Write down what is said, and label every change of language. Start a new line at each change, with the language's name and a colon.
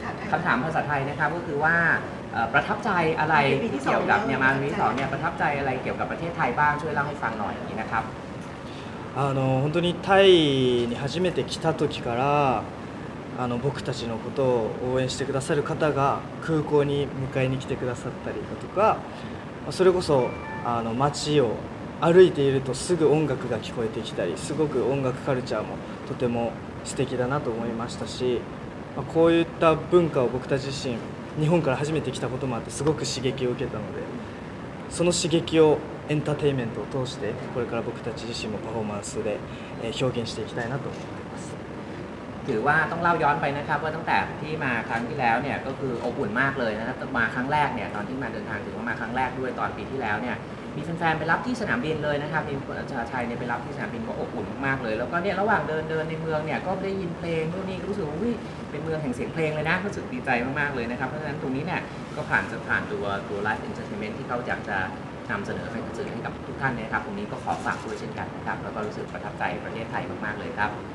Thai: คำถามภาษาไทยนะครับก็คือว่าประทับใจอะไรเกี่ยวกับเนี่ยมาวีสองเนี่ยประทับใจอะไรเกี่ยวกับประเทศไทยบ้างช่วยเล่าให้ฟังหน่อยนะครับ。
Japanese: 本当にタイに初めて来た時から僕たちのことを応援してくださる方が空港に迎えに来てくださったりだとかそれこそ街を歩いているとすぐ音楽が聞こえてきたりすごく音楽カルチャーもとても素敵だなと思いましたしこういった文化を僕たち自身日本から初めて来たこともあってすごく刺激を受けたのでその刺激をエンターテインメントを通してこれから僕たち自身もパフォーマンスで表現していきたいなと思います。
Thai: ถือว่าต้องเล่าย้อนไปนะครับว่าตั้งแต่ที่มาครั้งที่แล้วเนี่ยก็คืออบอุ่นมากเลยนะครับมาครั้งแรกเนี่ยตอนที่มาเดินทางถือว่ามาครั้งแรกด้วยตอนปีที่แล้วเนี่ยมีแฟนๆไปรับที่สนามบินเลยนะครับมีคนอาชาชัยเนี่ยไปรับที่สนามบินก็อบอุ่นมากเลยแล้วก็เนี่ยระหว่างเดินเดินในเมืองเนี่ยก็ได้ยินเพลงพวกนี้รู้สึกว่าเป็นเมืองแห่งเสียงเพลงเลยนะรู้สึกดีใจมากๆเลยนะครับเพราะฉะนั้นตรงนี้เนี่ยก็ผ่านตัวไลฟ์เอนเตอร์เทนเมนต์ที่เขาอยากจะนำเสนอให้สื่อให้กับทุกท่านนะครับตรงนี้ก็ขอฝากด้วยเช่นกันนะครับแล้วก็รู้สึกประทับใจประเทศไทยมากๆเลยครับ